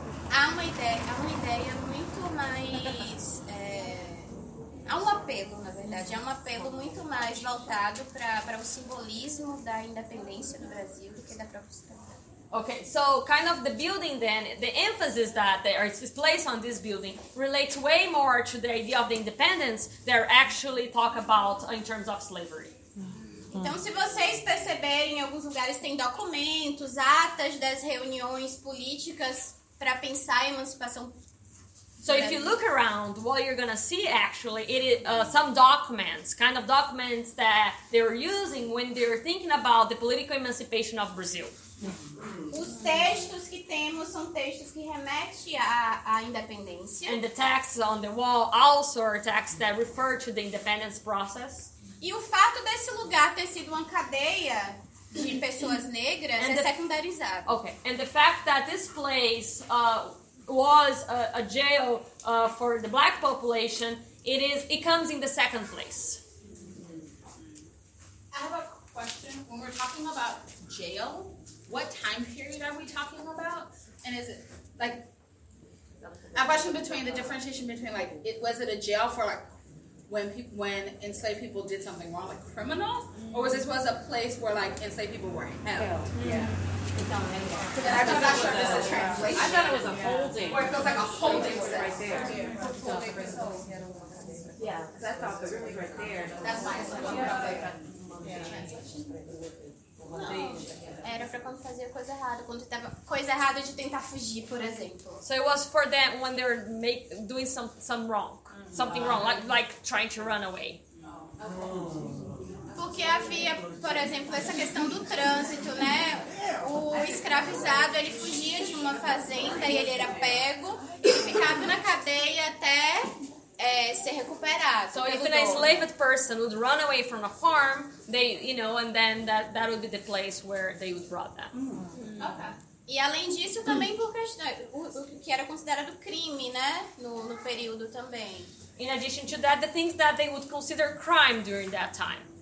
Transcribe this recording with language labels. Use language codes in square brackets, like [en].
[pt] há uma ideia muito mais há um apelo, na verdade, há um apelo muito mais voltado para o simbolismo da independência do Brasil do que da própria cidade. [en] Okay, so kind of the building then, the emphasis that there is placed on this building relates way more to the idea of the independence than actually talk about in terms of slavery. [pt] Então, se vocês perceberem, em alguns lugares tem documentos, atas das reuniões políticas para pensar a emancipação. [en] So if you look around, what you're going to see actually, it is some documents, kind of documents that they're using when they're thinking about the political emancipation of Brazil. [pt] Os textos que temos são textos que remetem à independência. [en] And the texts on the wall also are texts that refer to the independence process. [pt] E o fato desse lugar ter sido uma cadeia de pessoas negras é secundarizado. [en] Okay. And the fact that this place was a jail for the black population, it comes in the second place. I have a question. When we're talking about jail, what time period are we talking about? And is it like a question between the differentiation between like it was it a jail for like when enslaved people did something wrong, like criminals, or was this was a place where like enslaved people were held? Yeah. I'm not sure if this is a translation. I thought it was a holding. Or it feels like a holding cell. Right there. Yeah, because I thought the room was right there. That's why it's a holding cell. Yeah. So it was for them when they were doing some wrong. Something wrong, like trying to run away. [pt] Porque havia, por exemplo, essa questão do trânsito, né? O escravizado, ele fugia de uma fazenda e ele era pego e ficava na cadeia até ser recuperado. [en] So if an enslaved person would run away from a farm, they, you know, and then that would be the place where they would rob them. [pt] E além disso, também por questão, o que era considerado crime, né? No período também. [en] In addition to that, the things that they would consider crime during that time.